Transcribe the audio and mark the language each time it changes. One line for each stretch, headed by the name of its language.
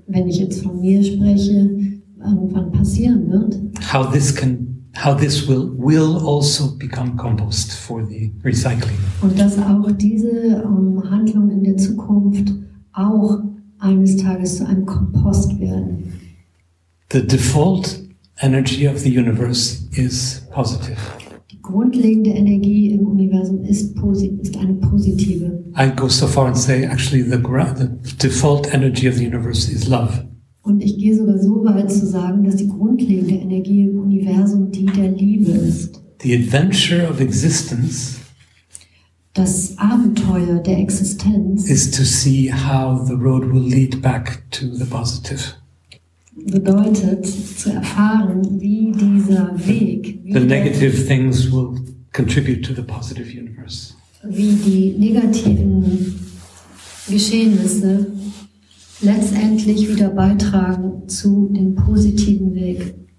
German: Wenn ich jetzt von mir spreche, irgendwann passieren wird.
English: How this will also become compost for the recycling.
German: Und dass auch diese Handlung in der Zukunft auch eines Tages zu einem Kompost werden.
English: The default energy of the universe is positive.
German: Grundlegende Energie im Universum ist eine positive.
English: I go so far and say, actually, the default energy of the universe is love.
German: Und ich gehe sogar so weit zu sagen, dass die grundlegende Energie im Universum die der Liebe ist.
English: The adventure of existence.
German: Das Abenteuer der Existenz.
English: Is to see how the road will lead back to the positive.
German: Bedeutet zu erfahren, wie dieser Weg, wie die negativen Geschehnisse letztendlich wieder beitragen zu dem positiven Weg.